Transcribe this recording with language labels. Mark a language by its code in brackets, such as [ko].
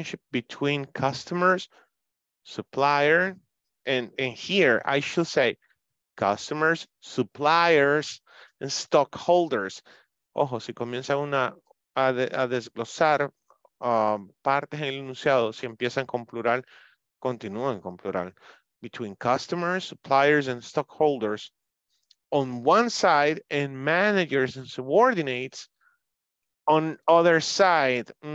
[en] between customers, supplier, and here I should say customers, suppliers, and stockholders. [es] Ojo, si comienza una a desglosar partes en el enunciado, si empiezan con plural, continúan con plural. [en] Between customers, suppliers, and stockholders, on one side, and managers and subordinates, on other side.